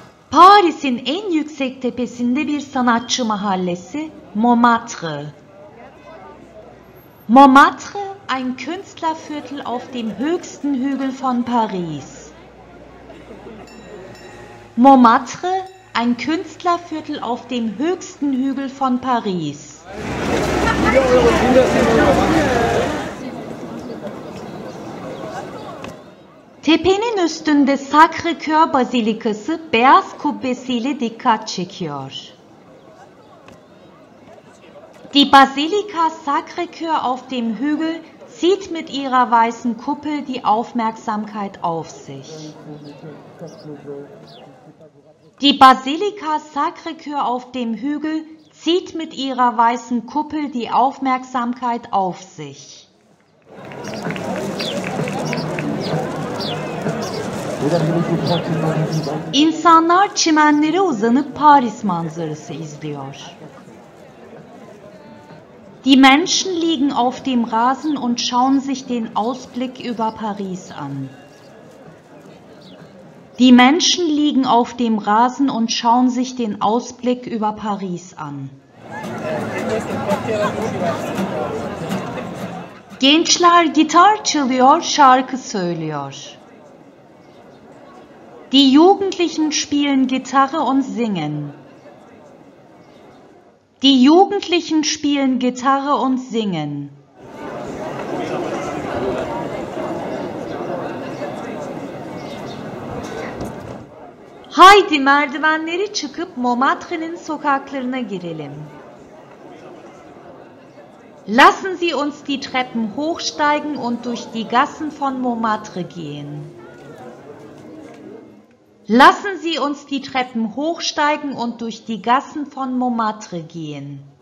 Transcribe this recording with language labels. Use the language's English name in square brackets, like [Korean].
[Turkish] Paris'in en yüksek tepesinde bir sanatçı mahallesi, Montmartre. [German] Montmartre, ein Künstlerviertel auf dem höchsten Hügel von Paris. Montmartre, ein Künstlerviertel auf dem höchsten Hügel von Paris. [Turkish] Tepenin üstünde Sacré-Cœur Bazilikası beyaz kubbesiyle dikkat çekiyor. [German] Die Basilika Sacré-Cœur auf dem Hügel zieht mit ihrer weißen Kuppel die Aufmerksamkeit auf sich. Die Basilika Sacré-Cœur auf dem Hügel zieht mit ihrer weißen Kuppel die Aufmerksamkeit auf sich. [Turkish] İnsanlar çimenlere uzanıp Paris manzarası izliyor. [German] Die Menschen liegen auf dem Rasen und schauen sich den Ausblick über Paris an. Die Menschen liegen auf dem Rasen und schauen sich den Ausblick über Paris an. [Turkish] Gençler gitar çalıyor, şarkı söylüyor. [German] Die Jugendlichen spielen Gitarre und singen. Die Jugendlichen spielen Gitarre und singen. [Turkish] Haydi merdivenleri çıkıp Montmartre'nin sokaklarına girelim. [German] Lassen Sie uns die Treppen hochsteigen und durch die Gassen von Montmartre gehen. Lassen Sie uns die Treppen hochsteigen und durch die Gassen von Montmartre gehen.